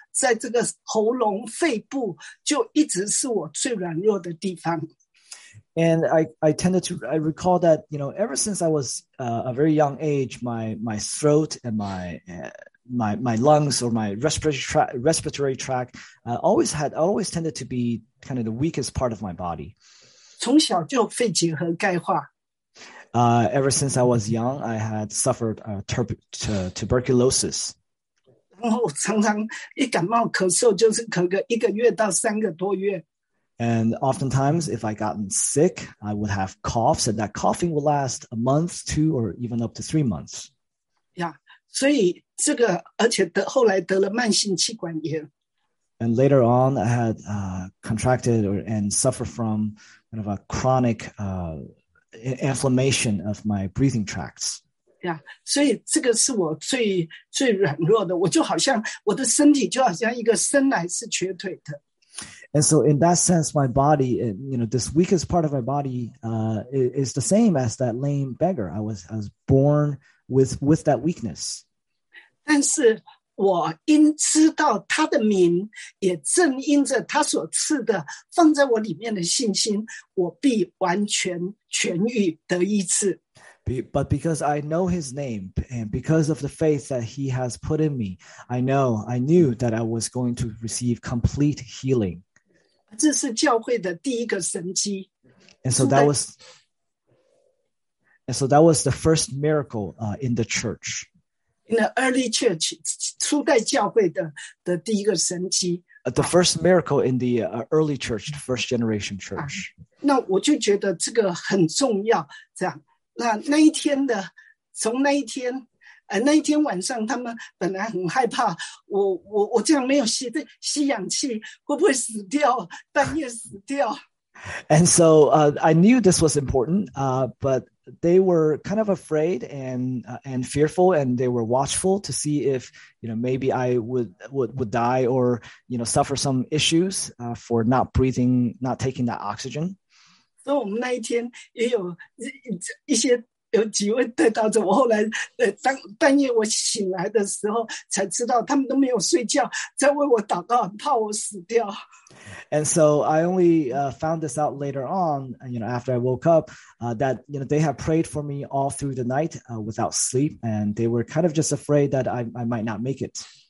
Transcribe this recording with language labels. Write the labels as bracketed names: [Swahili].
[Chinese] 在这个喉咙肺部就一直是我最软弱的地方。 [English] And I recall that, ever since I was a very young age, my throat and my lungs or my respiratory tract always tended to be kind of the weakest part of my body. [Chinese] 从小就肺结核钙化。 [English] Ever since I was young, I had suffered tuberculosis. [Chinese] 然后常常一感冒咳嗽就是咳个一个月到三个多月。 [English] And oftentimes, if I gotten sick, I would have coughs, and that coughing would last a month, two, or even up to 3 months. [Chinese] Yeah, 所以这个，而且后来得了慢性气管炎。 [English] And later on, I had contracted and suffered from kind of a chronic inflammation of my breathing tracts. [Chinese] Yeah, 所以这个是我最软弱的，我就好像我的身体就好像一个生来是瘸腿的。 [English] And so in that sense, my body, this weakest part of my body is the same as that lame beggar. I was born with that weakness. [Chinese] 但是我因知道他的名，也正因着他所赐的放在我里面的信心，我必完全痊愈得医治。 [English] But because I know his name, and because of the faith that he has put in me, I knew that I was going to receive complete healing. [Chinese] 这是教会的第一个神迹。 [English] And so that was the first miracle in the church. In the early church, [Chinese] 初代教会的第一个神迹。 [English] The first miracle in the early church, the first generation church. [Chinese] 那我就觉得这个很重要，这样。那一天的，从那一天，那天晚上他们本来很害怕，我这样没有吸氧气会不会死掉，半夜死掉。 [English] And so I knew this was important, but they were kind of afraid and fearful, and they were watchful to see if, you know, maybe I would die or, you know, suffer some issues for not breathing, not taking that oxygen. [Chinese] So 我们那一天也有一些有几位得到者，我后来当半夜我醒来的时候才知道，他们都没有睡觉，在为我祷告，很怕我死掉。 [English] And so I only found this out later on, you know, after I woke up, that, you know, they have prayed for me all through the night without sleep, and they were kind of just afraid that I might not make it.